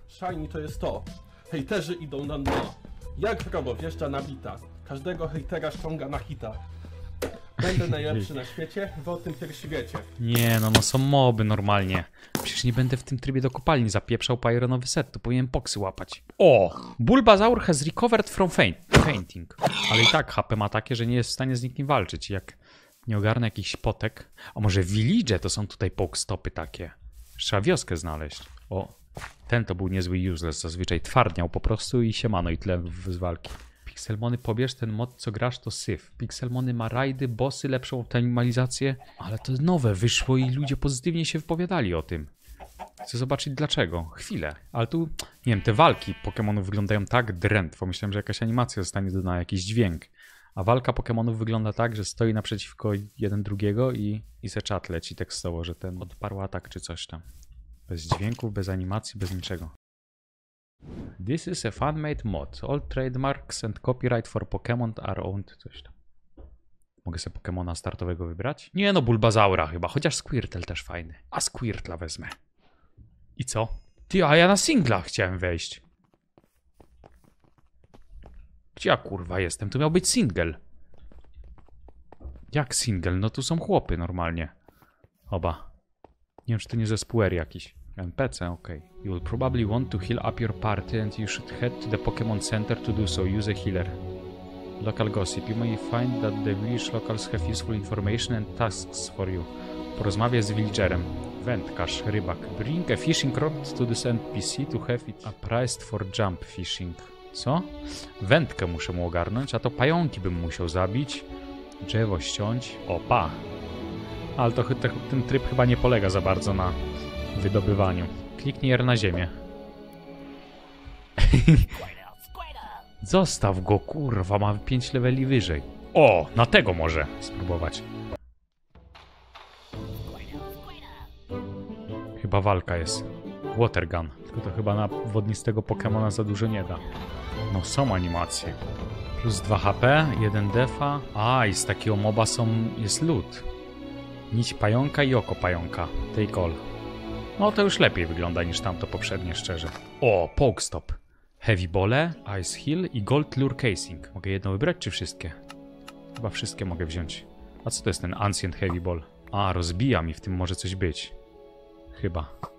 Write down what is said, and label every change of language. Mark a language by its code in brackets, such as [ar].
[pl] Shiny to jest to. Hejterzy idą na dno. Jak robo wjeżdża na bita, każdego hejtera ściąga na hita. Będę najlepszy na świecie, wy o tym pierwszy wiecie. Nie, no są moby normalnie. Przecież nie będę w tym trybie do kopalni zapieprzał Pyronowy set, to powinien poksy łapać. O! [en] Bulbasaur has recovered from fainting. [pl] Ale i tak HP ma takie, że nie jest w stanie z nikim walczyć. Jak nie ogarnę jakichś potek. A może village to są tutaj poke stopy takie. Trzeba wioskę znaleźć. O! Ten to był niezły useless, zazwyczaj twardniał po prostu i siemano i tyle z walki. Pixelmony, pobierz ten mod, co grasz, to syf. Pixelmony ma rajdy, bossy, lepszą optymalizację. Ale to nowe wyszło i ludzie pozytywnie się wypowiadali o tym. Chcę zobaczyć dlaczego. Chwilę. Ale tu, nie wiem, te walki Pokemonów wyglądają tak drętwo. Myślałem, że jakaś animacja zostanie dodana, jakiś dźwięk. A walka Pokemonów wygląda tak, że stoi naprzeciwko jeden drugiego i se czat leci tekstowo, że ten odparł atak czy coś tam. Bez dźwięków, bez animacji, bez niczego. [en] This is a fan-made mod. All trademarks and copyright for Pokémon are owned. [pl] Coś tam. Mogę sobie Pokémona startowego wybrać? Nie no, Bulbasaura chyba. Chociaż Squirtle też fajny. A Squirtla wezmę. I co? Ty, a ja na singla chciałem wejść. Gdzie ja kurwa jestem? Tu miał być single. Jak single? No tu są chłopy normalnie. Oba. Nie wiem, czy to nie zespół R jakiś. NPC, okej. Okay. [en] You will probably want to heal up your party and you should head to the Pokemon Center to do so. Use a healer. Local gossip. You may find that the village locals have useful information and tasks for you. [pl] Porozmawiaj z villagerem. Wędkarz, rybak. [en] Bring a fishing rod to this NPC to have it appraised for jump fishing. [pl] Co? Wędkę muszę mu ogarnąć, a to pająki bym musiał zabić. Drzewo ściąć. Opa! Ale to ten tryb chyba nie polega za bardzo na wydobywaniu. Kliknij R na ziemię. Zostaw go, kurwa, ma 5 leveli wyżej. O, na tego może spróbować. Chyba walka jest. Water gun. Tylko to chyba na wodnistego Pokemona za dużo nie da. No są animacje. Plus 2 HP, 1 defa. A, i z takiego moba są, jest loot. Nić pająka i oko pająka. [en] Take all. [pl] No to już lepiej wygląda niż tamto poprzednie, szczerze. O, poke stop. Heavy bole, ice heal i gold lure casing. Mogę jedno wybrać czy wszystkie? Chyba wszystkie mogę wziąć. A co to jest ten ancient heavy ball? A, rozbija mi, w tym może coś być. Chyba.